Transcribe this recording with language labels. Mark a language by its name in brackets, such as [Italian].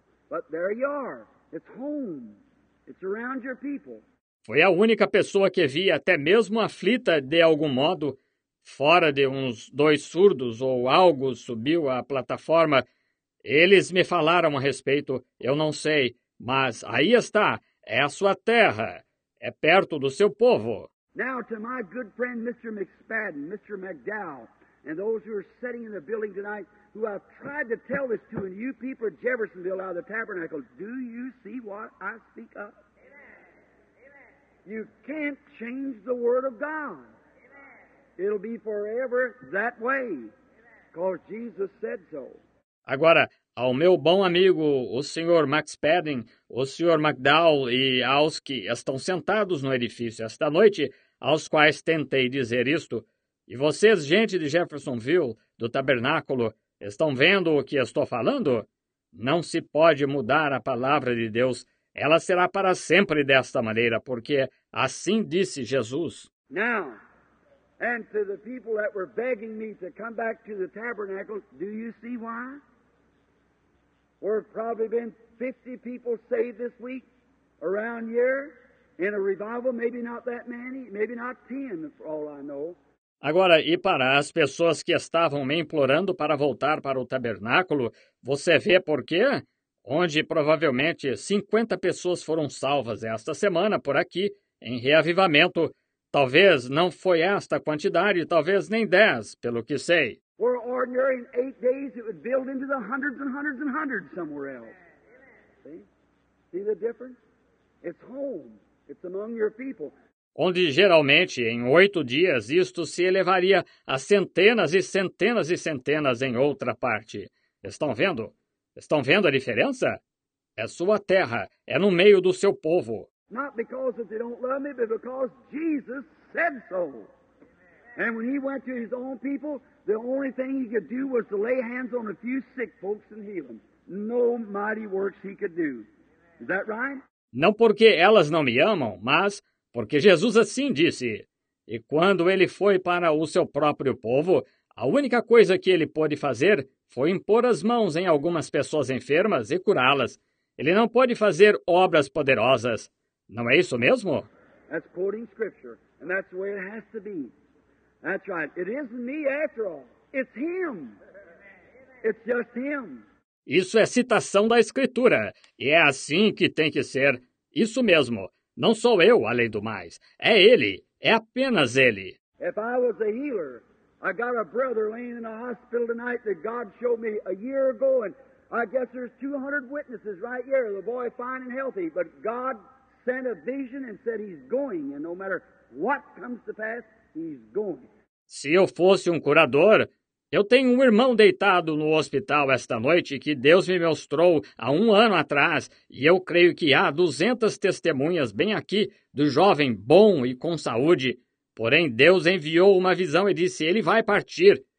[English] But there you are. It's home. It's around your people. [Portuguese] Foi a única pessoa que vi até mesmo aflita de algum modo, fora de uns dois surdos ou algo subiu à plataforma. Eles me falaram a respeito, eu não sei, mas aí está, é a sua terra, é perto do seu povo. [English] Now to my good friend Mr. McSpadden, Mr. McDowell, and those who are sitting in the building tonight, who I've tried to tell this to, and you people at Jeffersonville out of the tabernacle, do you see what I speak of? You can't change the word of God. Amen. It'll be forever that way. Because Jesus said so. [Portuguese] Agora, ao meu bom amigo, o Sr. Max Padding, o Sr. McDowell e aos que estão sentados no edifício esta noite, aos quais tentei dizer isto, e vocês, gente de Jeffersonville, do tabernáculo, Estão vendo o que estou falando? Não se pode mudar a palavra de Deus. Ela será para sempre desta maneira, porque assim disse Jesus. [English] Now, and to the people that were begging me to come back to the tabernacle, do you see why? We've probably been 50 people saved this week, around here, in a revival, maybe not that many, maybe not 10, for all I know. [Portuguese] Agora, e para as pessoas que estavam me implorando para voltar para o tabernáculo, você vê por quê? Onde provavelmente 50 pessoas foram salvas esta semana por aqui, em reavivamento. Talvez não foi esta quantidade, talvez nem 10, pelo que sei. [English] Were ordinary in 8 days, it would build into the hundreds and hundreds and hundreds somewhere else. See the difference? It's home. It's among your people. [Portuguese] Onde geralmente, em 8 dias, isto se elevaria a centenas e centenas e centenas em outra parte. Estão vendo? Estão vendo a diferença? É sua terra, é no meio do seu povo. [English] Not because they don't love me, but because Jesus said so. And when he went to his own people, the only thing he could do was to lay hands on a few sick folks and heal them. No mighty works he could do. Is that right? [Portuguese] Não porque elas não me amam, mas porque Jesus assim disse. E quando ele foi para o seu próprio povo, a única coisa que ele pôde fazer foi impor as mãos em algumas pessoas enfermas e curá-las. Ele não pôde fazer obras poderosas. Não é isso mesmo? [English] That's quoting scripture, and that's the way it has to be. That's right. It isn't me after all. It's him. It's just him. [Portuguese] Isso é citação da escritura, e é assim que tem que ser. Isso mesmo. Não sou eu, além do mais. É ele. É apenas ele. [English] If I was a healer, I got a brother laying in a hospital tonight that God showed me a year ago, and I guess there's 200 witnesses right here, the boy fine and healthy, but God sent a vision and said he's going, and no matter what comes to pass, he's going. [Portuguese] Se eu fosse um curador, eu tenho um irmão deitado no hospital esta noite que Deus me mostrou há um ano atrás, e eu creio que há 200 testemunhas bem aqui do jovem bom e com saúde. Porém, Deus enviou uma visão e disse, ele vai partir.